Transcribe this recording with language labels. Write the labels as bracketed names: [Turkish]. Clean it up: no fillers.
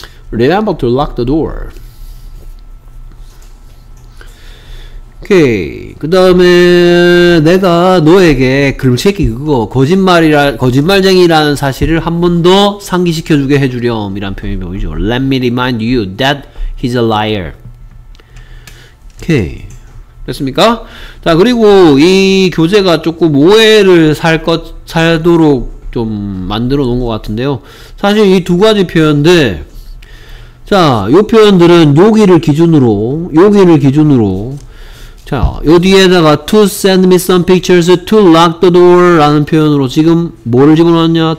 [English] Remember to lock the door. [Korean] 오케이. 그 다음에 내가 너에게 그럼 새끼 그거 거짓말이라 거짓말쟁이라는 사실을 한 번 더 상기시켜주게 해주렴 이란 표현이 보이죠. [English] Let me remind you that he's a liar. [Korean] 오케이. 됐습니까? 자, 그리고 이 교재가 조금 오해를 살도록 좀 만들어 놓은 것 같은데요. 사실 이 두 가지 표현들, 자, 요 표현들은 요기를 기준으로, 요기를 기준으로, 자, 요 뒤에다가 [English] to send me some pictures to lock the door [Korean] 라는 표현으로 지금 뭐를 집어넣었냐?